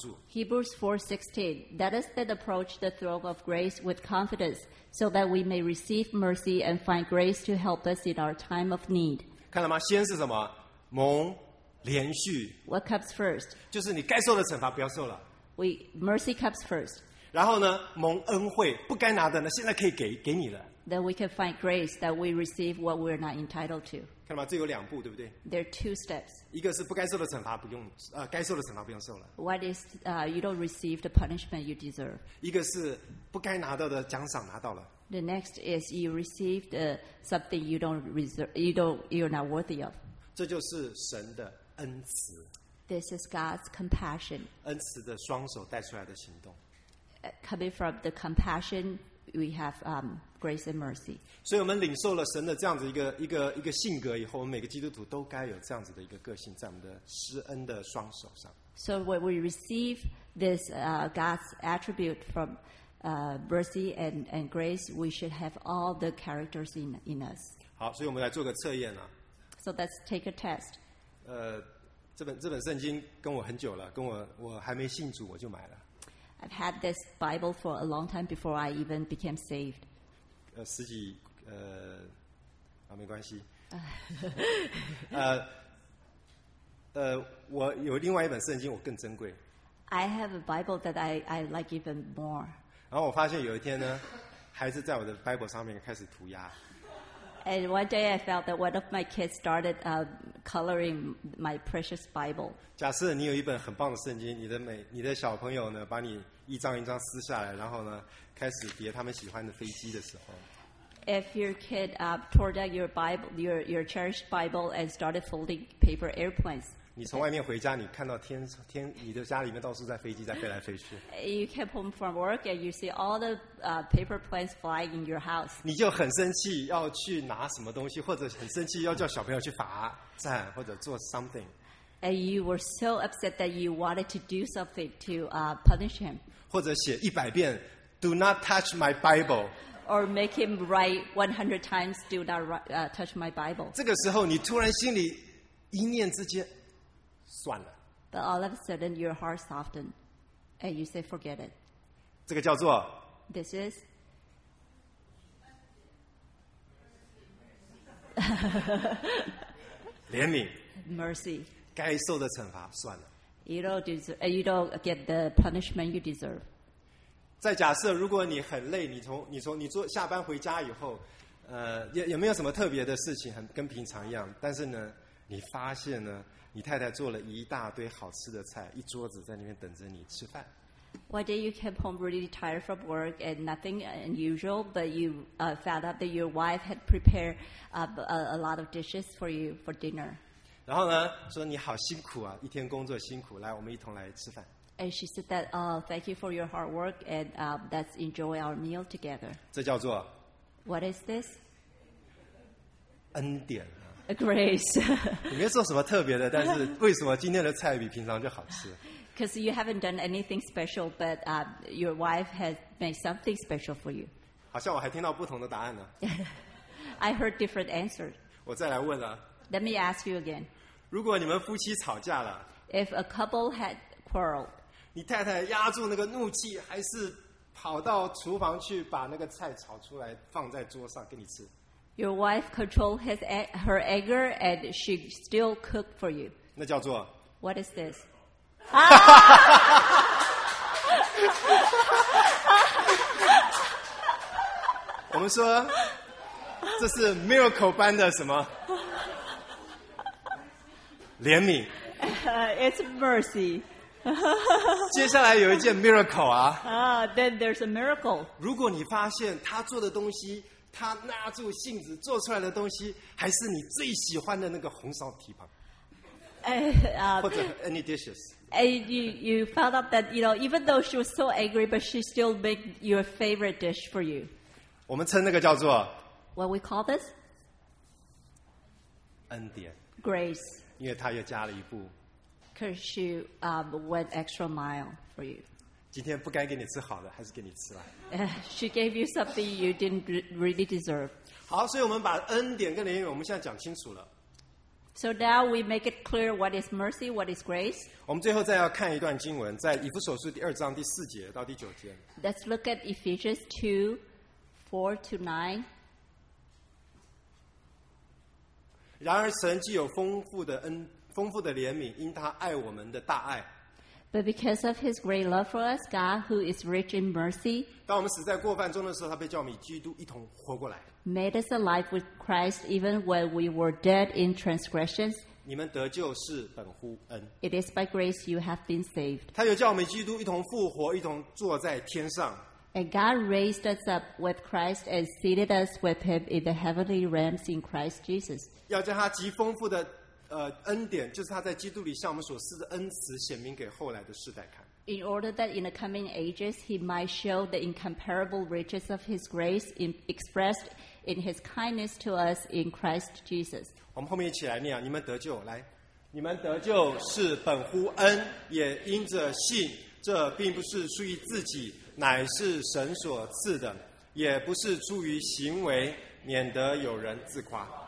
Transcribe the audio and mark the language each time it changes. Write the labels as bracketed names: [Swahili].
[English] Hebrews 4:16. Let us then approach the throne of grace with confidence, so that we may receive mercy and find grace to help us in our time of need. [Chinese] 看了吗？先是什么？蒙连续。 [English] What comes first? [Chinese] 就是你该受的惩罚不要受了。 [English] Mercy comes first. [Chinese] 然后呢？蒙恩惠，不该拿的呢，现在可以给你了。 [English] Then we can find grace that we receive what we're not entitled to. [Chinese] 看到吗？这有两步，对不对？ [English] There are two steps. [Chinese] 一个是不该受的惩罚不用，该受的惩罚不用受了。 [English] What is you don't receive the punishment you deserve. [Chinese] 一个是不该拿到的奖赏拿到了。 [English] The next is you received something you don't reserve, you're not worthy of. [Chinese] 这就是神的恩慈。 [English] This is God's compassion. [Chinese] 恩慈的双手带出来的行动。 [English] Coming from the compassion we have grace and mercy. [Chinese] 所以我们领受了神的这样子一个性格以后，我们每个基督徒都该有这样子的一个个性，在我们的施恩的双手上。 [English] So when we receive this God's attribute from mercy and grace, we should have all the characters in us. [Chinese] 好，所以我们来做个测验啊。 [English] So let's take a test. [Chinese] 这本圣经跟我很久了，跟我还没信主我就买了。 [English] I've had this Bible for a long time before I even became saved. [Chinese] 十几没关系。我有另外一本圣经，我更珍贵。 [English] I have a Bible that I like even more. [Chinese] 然后我发现有一天呢，孩子在我的 Bible 上面开始涂鸦。 [English] And one day I felt that one of my kids started coloring my precious Bible. [Chinese] 假设你有一本很棒的圣经，你的小朋友呢，把你一张一张撕下来，然后呢，开始叠他们喜欢的飞机的时候。 [English] If your kid tore down your Bible, your cherished Bible, and started folding paper airplanes. [Chinese] 你从外面回家，你看到天，你的家里面到处在飞机在飞来飞去。 [English] You came home from work and you see all the paper planes flying in your house. [Chinese] 你就很生气，要去拿什么东西，或者很生气要叫小朋友去罚站或者做 something. [English] And you were so upset that you wanted to do something to punish him. [Chinese] 或者写100遍 [English] "Do not touch my Bible." Or make him write 100 times, do not touch my Bible. [Chinese] 这个时候，你突然心里一念之间，算了。 [English] But all of a sudden, your heart softened, and you say, "Forget it." [Chinese] 这个叫做。 [English] This is. Mercy. [Chinese] 怜悯。 [English] Mercy. [Chinese] 该受的惩罚算了。 [English] You don't get the punishment you deserve. [Chinese] 再假设如果你很累，你做下班回家以后，也没有什么特别的事情，跟平常一样。但是呢，你发现呢，你太太做了一大堆好吃的菜，一桌子在那边等着你吃饭。 [English] One day you came home really tired from work and nothing unusual, but you found out that your wife had prepared a lot of dishes for you for dinner. [Chinese] 然后呢，说你好辛苦啊，一天工作辛苦，来，我们一同来吃饭。 [English] And she said that, thank you for your hard work and let's enjoy our meal together. [Chinese] 这叫做 [English] What is this? [Chinese] 恩典。 [English] A grace. [Chinese] 你没做什么特别的，但是为什么今天的菜比平常就好吃？ [English] Because you haven't done anything special, but your wife has made something special for you. [Chinese] 好像我还听到不同的答案呢。 [English] I heard different answers. [Chinese] 我再来问了。 [English] Let me ask you again. [Chinese] 如果你们夫妻吵架了。 [English] If a couple had quarreled. [Chinese] 你太太压住那个怒气，还是跑到厨房去把那个菜炒出来放在桌上给你吃？ [English] Your wife controlled her anger and she still cooked for you. [Chinese] 那叫做？ [English] What is this? [Chinese] 我们说这是 miracle 般的什么怜悯 [English] it's mercy [Chinese] 接下来有一件 miracle 啊 [English] then there's a miracle [Chinese] 如果你发现他做的东西他拿住性子做出来的东西还是你最喜欢的那个红烧蹄膀或者 [English] any dishes And you found out that, you know, even though she was so angry, but she still made your favorite dish for you. [Chinese] 我们称那个叫做 [English] What we call this? [Chinese] 恩典 [English] Grace. [Chinese] 因为她又加了一步 [English] Because she went extra mile for you. [Chinese] 今天不该给你吃好的，还是给你吃了 [English] She gave you something you didn't really deserve. [Chinese] 好，所以我们把恩典跟怜悯，我们现在讲清楚了。 [English] So now we make it clear what is mercy, what is grace. [Chinese] 我们最后再要看一段经文，在以弗所书第二章第四节到第九节。 [English] Let's look at Ephesians 2:4-9. [Chinese] 然而神既有丰富的怜悯，因他爱我们的大爱。 [English] But because of his great love for us, God, who is rich in mercy, [Chinese] 当我们死在过犯中的时候，他被叫我们与基督一同活过来。 [English] Made us alive with Christ even when we were dead in transgressions. [Chinese] 你们得救是本乎恩。 [English] It is by grace you have been saved. [Chinese] 他又叫我们基督一同复活，一同坐在天上。 [English] And God raised us up with Christ and seated us with him in the heavenly realms in Christ Jesus. [Chinese] 要将他极丰富的恩典，就是他在基督里向我们所赐的恩慈，显明给后来的世代看。 [English] In order that in the coming ages he might show the incomparable riches of his grace expressed in his kindness to us in Christ Jesus. [Chinese] 我们后面一起来念，你们得救，来，你们得救是本乎恩，也因着信，这并不是出于自己，乃是神所赐的，也不是出于行为，免得有人自夸。